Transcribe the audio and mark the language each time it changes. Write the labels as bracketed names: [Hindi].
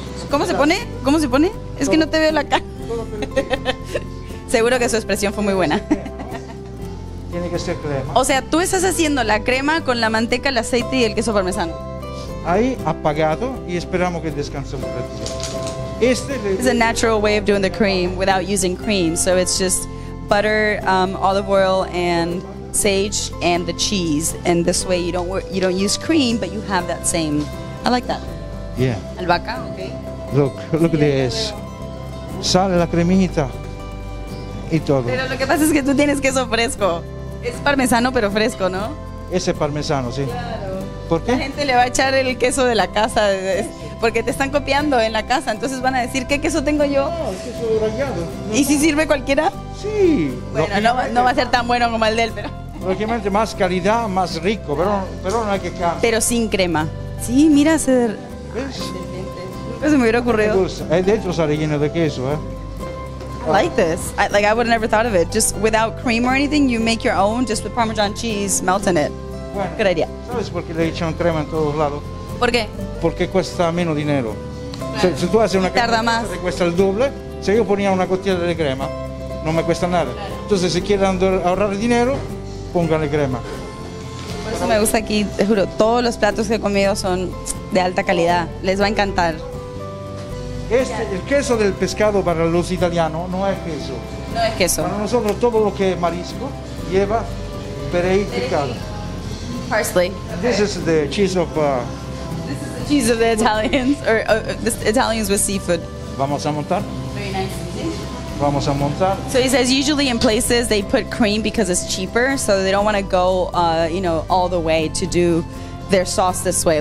[Spanish] ¿Cómo se pone? ¿Cómo se pone? Es todo, que no te veo la cara. Seguro que su expresión fue muy buena. Tiene que ser crema. O sea, tú estás haciendo la crema con la manteca, el aceite y el queso parmesano. Ahí apagado y esperamos que descanse un ratito. [English] It's a natural way of doing the cream without using cream. So it's just butter, olive oil, and sage, and the cheese. And this way you don't use cream, but you have that same. I like that. Yeah. [Spanish] Albahaca, okay. [English] Look at this. [Spanish] Sale la cremita y todo. Pero lo que pasa es que tú tienes queso fresco. Es parmesano, pero fresco, ¿no? Ese parmesano, sí. Claro. ¿Por qué? La gente le va a echar el queso de la casa, porque te están copiando en la casa, entonces van a decir, ¿qué queso tengo yo? No, el queso de rallado. ¿Y si sirve cualquiera? Sí. Bueno, no va a ser tan bueno como el de él, pero... Lógicamente, más calidad, más rico, pero no hay que quedar. Pero sin crema. Sí, mira, se... ¿Ves? Nunca se me hubiera ocurrido. Dentro sale lleno de queso, ¿eh? [English] I like this. I would have never thought of it. Just without cream or anything, you make your own, just with Parmesan cheese, melting it. [Spanish] Bueno, ¿sabes por qué le echan crema en todos lados? ¿Por qué? Porque cuesta menos dinero. Claro. Se tú haces una cotilla que cuesta el doble, si yo ponía una cotilla de crema, no me cuesta nada. Claro. Entonces, si quieren ahorrar dinero, pónganle crema. Por eso me gusta aquí, te juro, todos los platos que he comido son de alta calidad. Les va a encantar. Este, el queso del pescado para los italianos no es queso. No es queso. Para nosotros todo lo que es marisco lleva perejil picado. [English] Parsley. This is the cheese of... This is the cheese of the Italians, or the Italians with seafood. [Spanish] Vamos a montar. [English] Very nice. [Spanish] Vamos a montar. [English] So he says usually in places they put cream because it's cheaper, so they don't want to go, you know, all the way to do their sauce this way.